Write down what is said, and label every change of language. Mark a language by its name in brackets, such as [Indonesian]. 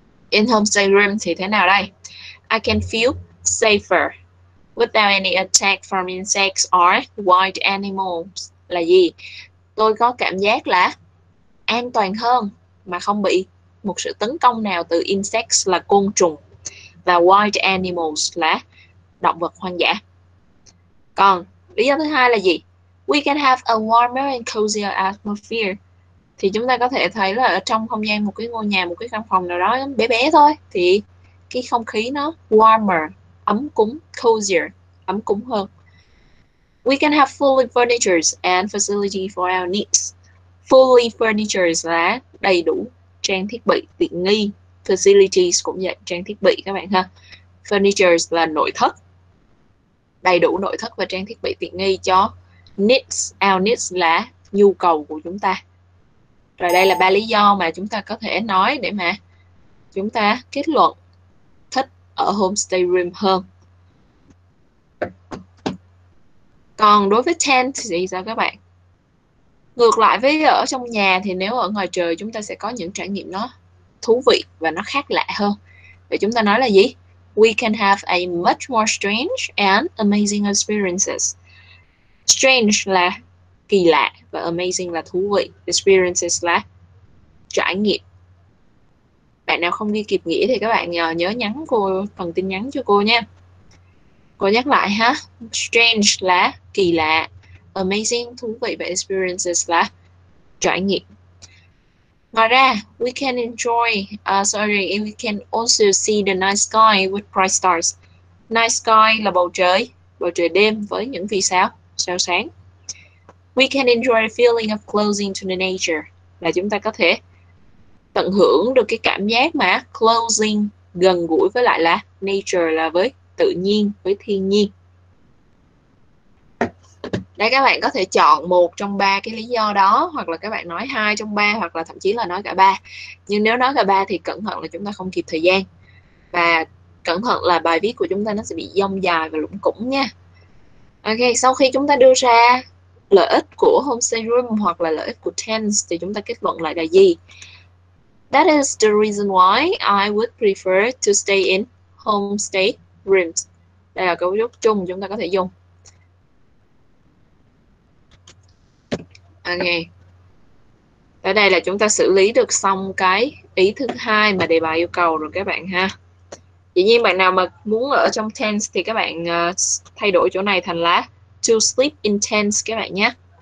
[English] In-home stateroom [Vietnamese] thì thế nào đây? [English] I can feel safer without any attack from insects or wild animals. [Vietnamese] Là gì? Tôi có cảm giác là an toàn hơn mà không bị một sự tấn công nào từ insects là côn trùng, và wild animals là động vật hoang dã. Còn lý do thứ hai là gì? [English] We can have a warmer and cozier atmosphere. [Vietnamese] Thì chúng ta có thể thấy là ở trong không gian một cái ngôi nhà, một cái căn phòng nào đó bé bé thôi, thì cái không khí nó warmer, ấm cúng, cozier, ấm cúng hơn. [English] We can have fully furnitures and facility for our needs. [Vietnamese] Fully furnitures là đầy đủ trang thiết bị tiện nghi. Facilities cũng vậy, trang thiết bị các bạn ha. Furnitures là nội thất, đầy đủ nội thất và trang thiết bị tiện nghi cho needs. Our needs là nhu cầu của chúng ta. Rồi đây là ba lý do mà chúng ta có thể nói để mà chúng ta kết luận thích ở homestay room hơn. Còn đối với tent thì sao các bạn? Ngược lại với ở trong nhà thì nếu ở ngoài trời chúng ta sẽ có những trải nghiệm nó thú vị và nó khác lạ hơn. Vậy chúng ta nói là gì? [English] We can have a much more strange and amazing experiences. [Vietnamese] Strange là kỳ lạ và amazing là thú vị. Experiences là trải nghiệm. Bạn nào không ghi kịp nghĩa thì các bạn nhớ nhắn cô phần tin nhắn cho cô nha. Cô nhắc lại ha. Strange là kỳ lạ. Amazing, thú vị, và experiences là trải nghiệm. Ngoài ra, [English] we can enjoy, we can also see the night sky with bright stars. [Vietnamese] Night sky là bầu trời đêm với những vì sao, sao sáng. [English] We can enjoy the feeling of closing to the nature. [Vietnamese] Là chúng ta có thể tận hưởng được cái cảm giác mà closing gần gũi với lại là nature, là với tự nhiên, với thiên nhiên. Đây các bạn có thể chọn một trong ba cái lý do đó, hoặc là các bạn nói hai trong ba, hoặc là thậm chí là nói cả ba. Nhưng nếu nói cả ba thì cẩn thận là chúng ta không kịp thời gian. Và cẩn thận là bài viết của chúng ta nó sẽ bị dông dài và lủng củng nha. Ok, sau khi chúng ta đưa ra lợi ích của homestay room hoặc là lợi ích của tents thì chúng ta kết luận lại là gì? [English] That is the reason why I would prefer to stay in homestay rooms. [Vietnamese] Đây là cấu trúc chung chúng ta có thể dùng. Ok. Ở đây là chúng ta xử lý được xong cái ý thứ hai mà đề bài yêu cầu rồi các bạn ha. Dĩ nhiên bạn nào mà muốn ở trong tents thì các bạn thay đổi chỗ này thành là [English] to sleep in tents [Vietnamese] các bạn nhé.